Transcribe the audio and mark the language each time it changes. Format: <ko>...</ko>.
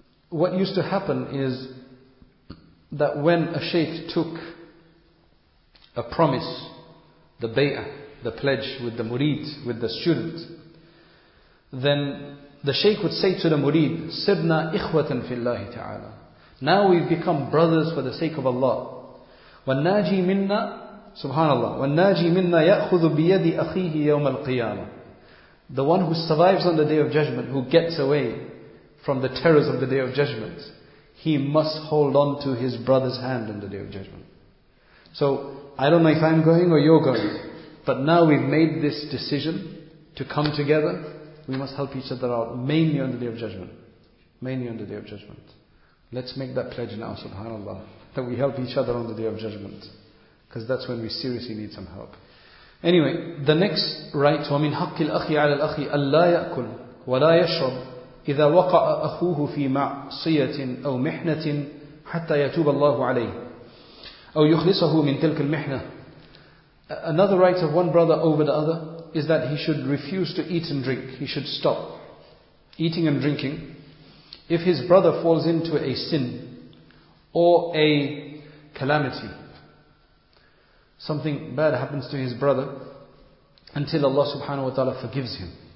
<en>What used to happen is that when a Sheikh took a promise, the bay'ah, the pledge with the murid, with the student, then the Shaykh would say to the murid,</en> <ar>Sirna ikhwatan fillahi ta'ala.</ar> <en>Now we've become brothers for the sake of Allah.</en> <ar>وَالنَّاجِي مِنَّا Subhanallah. وَالنَّاجِي مِنَّا يَأْخُذُ بِيَدِ أَخِيهِ يَوْمَ الْقِيَامَةِ.</ar> <en>The one who survives on the Day of Judgment, who gets away from the terrors of the Day of Judgment, he must hold on to his brother's hand on the Day of Judgment. So, I don't know if I'm going or you're going, but now we've made this decision to come together, we must help each other out, mainly on the Day of Judgment. Mainly on the Day of Judgment. Let's make that pledge now, subhanAllah, that we help each other on the Day of Judgment. Because that's when we seriously need some help. Anyway, the next right,</en> <ar>وَمِنْ حَقِّ الْأَخِي عَلَى الْأَخِي أَلَّا يَأْكُلْ وَلَا يَشْرَبْ إِذَا وَقَعَ أَخُوهُ فِي مَعْصِيَةٍ أَوْ مِحْنَةٍ حَتَّى يَتُوبَ اللَّهُ عَلَيْهِ أَوْ يُخْلِصَهُ مِنْ تِلْكَ الْمِحْنَةِ.</ar> <en>Another right of one brother over the other is that he should refuse to eat and drink. He should stop eating and drinking. If his brother falls into a sin or a calamity, something bad happens to his brother until Allah subhanahu wa ta'ala forgives him.</en>